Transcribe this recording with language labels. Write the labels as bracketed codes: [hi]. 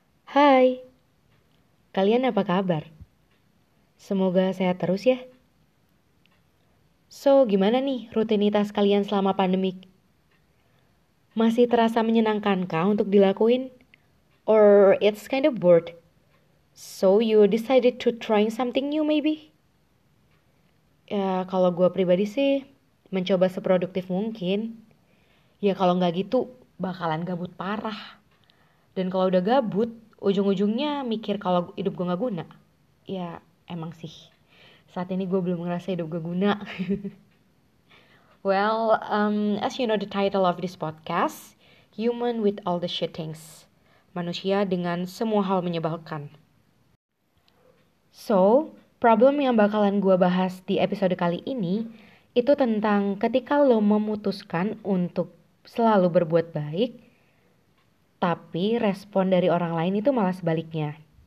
[id] Hai, kalian apa kabar? Semoga sehat terus ya. So, gimana nih rutinitas kalian selama pandemik? Masih terasa menyenangkankah untuk dilakuin? [en] Or it's kind of bored? So, you decided to try something new maybe? [id] Ya, kalau gue pribadi sih, mencoba seproduktif mungkin. Ya, kalau nggak gitu, bakalan gabut parah. Dan kalau udah gabut, ujung-ujungnya mikir kalau hidup gue gak guna. Ya, emang sih. Saat ini gue belum ngerasa hidup gue guna. [en] as you know the title of this podcast, Human with All the Shit Things. [id] Manusia dengan semua hal menyebalkan. So, problem yang bakalan gue bahas di episode kali ini, itu tentang ketika lo memutuskan untuk selalu berbuat baik, tapi respon dari orang lain itu malah sebaliknya.